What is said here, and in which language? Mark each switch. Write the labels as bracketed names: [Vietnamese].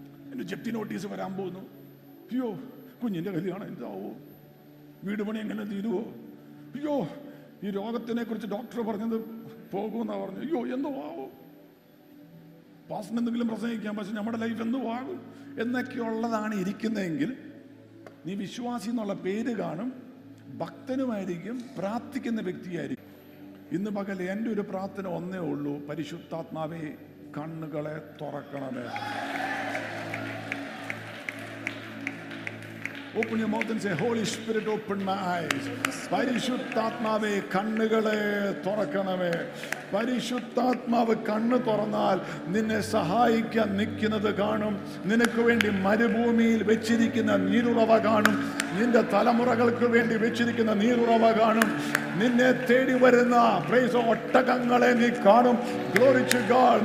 [Malayalam] എൻ്റെ ജപ്തി നോട്ടീസ് വരാൻ പോകുന്നു, അയ്യോ കുഞ്ഞിൻ്റെ കല്യാണം എന്താവോ, വീട് പണി എങ്ങനെ തീരുവോ, അയ്യോ ഈ രോഗത്തിനെ കുറിച്ച് ഡോക്ടർ പറഞ്ഞത് പോകുമെന്നാണ് പറഞ്ഞു, അയ്യോ എന്തോ ആവോ, പാസ്റ്റിന് എന്തെങ്കിലും പ്രസംഗിക്കാം, പക്ഷെ നമ്മുടെ ലൈഫ് എന്തോ ആകും എന്നൊക്കെയുള്ളതാണ് ഇരിക്കുന്നതെങ്കിൽ, നീ വിശ്വാസി എന്നുള്ള പേര് കാണും, ഭക്തനുമായിരിക്കും, പ്രാർത്ഥിക്കുന്ന വ്യക്തിയായിരിക്കും. ഇന്ന് പകൽ എൻ്റെ ഒരു പ്രാർത്ഥന ഒന്നേ ഉള്ളൂ, പരിശുദ്ധാത്മാവേ കണ്ണുകളെ തുറക്കണമേ. [English] Open your mouth and say, Holy Spirit, open my eyes. [Malayalam] പരിശുദ്ധാത്മാവേ കണ്ണുകളെ തുറക്കണമേ. പരിശുദ്ധാത്മാവ് കണ്ണ് തുറന്നാൽ നിന്നെ സഹായിക്കാൻ നിൽക്കുന്നത് കാണും, നിനക്ക് വേണ്ടി മരുഭൂമിയിൽ വെച്ചിരിക്കുന്ന നീരുറവ കാണും, നിന്റെ തലമുറകൾക്ക് വേണ്ടി വെച്ചിരിക്കുന്ന നീരുറവ കാണും, നിന്നെ തേടി വരുന്ന പ്രൈസ് ഒട്ടകങ്ങളെ നീ കാണും. [English] Glory to God.